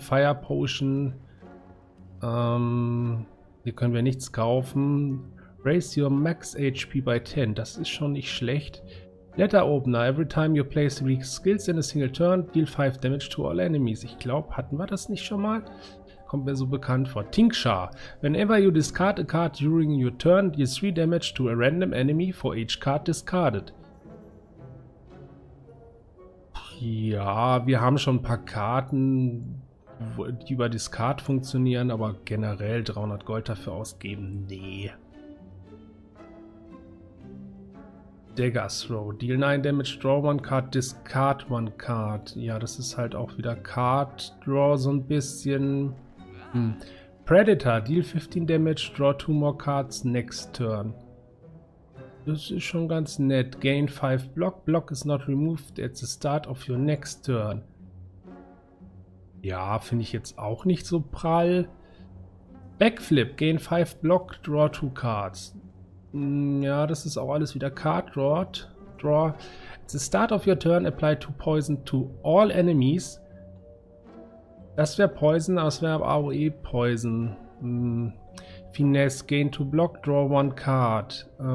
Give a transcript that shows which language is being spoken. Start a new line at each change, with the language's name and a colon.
German: Fire Potion. Hier können wir nichts kaufen.
English: Raise your max HP by 10.
German: Das ist schon nicht schlecht.
English: Letter Opener. Every time you play 3 skills in a single turn, deal 5 damage to all enemies.
German: Ich glaube, hatten wir das nicht schon mal? Kommt mir so bekannt vor. Tinksha.
English: Whenever you discard a card during your turn, deal 3 damage to a random enemy for each card discarded.
German: Ja, wir haben schon ein paar Karten, die über Discard funktionieren, aber generell 300 Gold dafür ausgeben? Nee.
English: Dagger Throw. Deal 9 Damage, draw 1 card, discard 1 card.
German: Ja, das ist halt auch wieder Card Draw so ein bisschen.
English: Predator. Deal 15 Damage, draw 2 more cards next turn.
German: Das ist schon ganz nett.
English: Gain 5 Block. Block is not removed at the start of your next turn.
German: Ja, finde ich jetzt auch nicht so prall. Backflip.
English: Gain 5 Block, draw 2 cards.
German: Ja, das ist auch alles wieder Card Draw.
English: Draw. At the start of your turn, apply 2 Poison to all enemies.
German: Das wäre Poison, aber es wäre AOE Poison.
English: Finesse, gain 2 block, draw 1 card.